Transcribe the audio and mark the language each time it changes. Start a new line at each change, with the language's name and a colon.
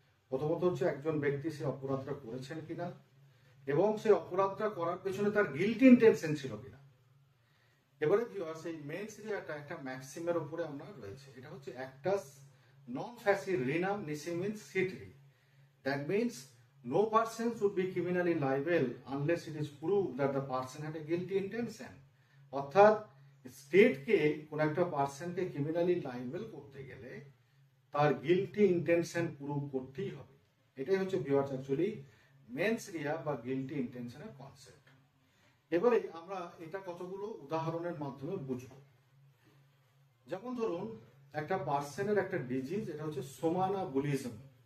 Bangla: প্রথমত হচ্ছে একজন ব্যক্তি সে অপরাধটা করেছেন কিনা এবং সে অপরাধটা করার পেছনে তার গিলটি ইন্টেনশন ছিল কিনা। এবারে কি হয়, সেই মেন্স রিয়াটা একটা ম্যাক্সিমের উপরে আপনার রয়েছে, এটা হচ্ছে অ্যাক্টাস নন ফ্যাসি রিনাম নিসি means city.
English: That means no person should be criminally liable unless it is proved that the person had a guilty intention.
Bangla: অর্থাৎ স্টেটকে কোনো একটা পার্সনকে ক্রিমিনালি লাইবেল করতে গেলে তার গিলটি ইন্টেনশন প্রুভ করতেই হবে। এটাই হচ্ছে ভিউয়ার্স অ্যাকচুয়ালি মেন্স রিয়া বা গিলটি ইন্টেনশনের কনসেপ্ট। এবারে আমরা এটা কতগুলো উদাহরণের মাধ্যমে বুঝব। যেমন ধরুন একটা পার্সনের একটা ডিজিজ, এটা হচ্ছে সোমানাবুলিজম।